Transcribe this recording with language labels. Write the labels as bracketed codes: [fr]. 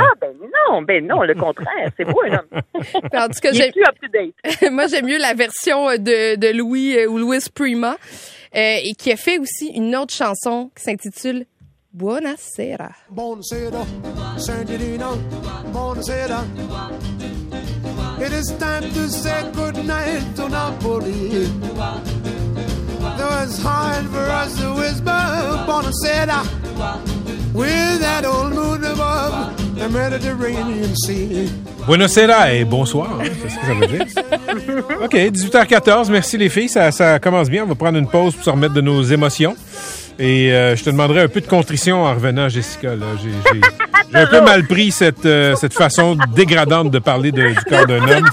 [fr] Ah ben non, le contraire. C'est beau un homme. En tout cas, j'ai plus up-to-date. Moi, j'aime mieux la version de Louis ou Louis Prima et qui a fait aussi une autre chanson qui s'intitule Buonasera. [it] Buonasera, Sangerino. Buonasera. [en] It is time to say goodnight to Napoli. Though it's hard for us to whisper Buonasera with that old moon above the Mediterranean Sea. [it] Buonasera [fr] et bonsoir, c'est ce que ça veut dire. OK, 18h14, merci les filles, ça commence bien. On va prendre une pause pour se remettre de nos émotions. Et je te demanderai un peu de contrition en revenant, Jessica. Là. J'ai un peu mal pris cette façon dégradante de parler du corps d'un homme.